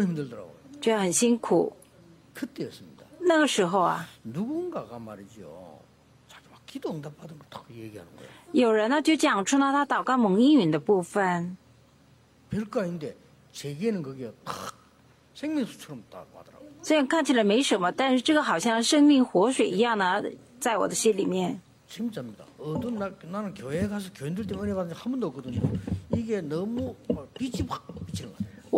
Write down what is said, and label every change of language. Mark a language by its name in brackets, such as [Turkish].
[Chinese] 那没什么能力的人，他们也在那里争吵，就很辛苦。 [Korean] 그때였습니다. [Chinese] 那个时候啊, [Korean] 누군가가 말이죠. 자기 막 기도 응답하던 걸 탁 얘기하는 거예요. [Chinese] 有人呢就讲出了他祷告蒙应允的部分. [Korean] 별거 아닌데 제게는 그게 탁 생명수처럼 딱 와더라고. [Chinese] 虽然看起来没什么，但是这个好像生命活水一样呢，在我的心里面. [Korean] 진짜입니다. 어떤 날 나는 교회 가서 교인들 때문에 은혜 받은 적 한 번도 없거든요. 이게 너무 빛이 확 비치는 거예요.